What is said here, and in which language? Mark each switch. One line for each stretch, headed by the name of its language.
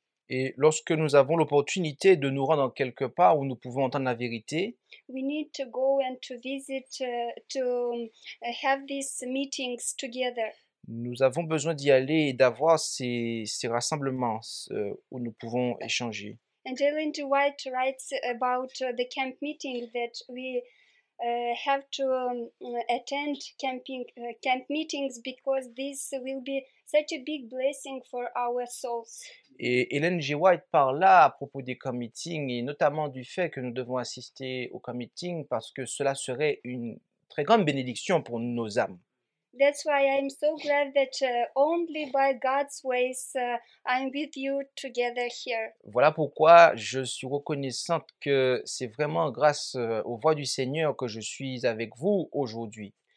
French: Et lorsque nous avons l'opportunité de nous rendre quelque part où nous pouvons entendre la vérité,
English: we need to go and to visit to have these meetings together.
French: Nous avons besoin d'y aller et d'avoir ces rassemblements où nous pouvons échanger.
English: And Ellen G. White writes about the camp meeting that we have to attend camp meetings because this will be such a big blessing for our souls.
French: Et Ellen G. White parle à propos des camp meetings et notamment du fait que nous devons assister aux camp meetings parce que cela serait une très grande bénédiction pour nos âmes.
English: That's why I'm so glad that only by God's ways I'm with you together here.
French: Voilà pourquoi je suis reconnaissante que c'est vraiment grâce aux voies du Seigneur que je suis avec vous aujourd'hui.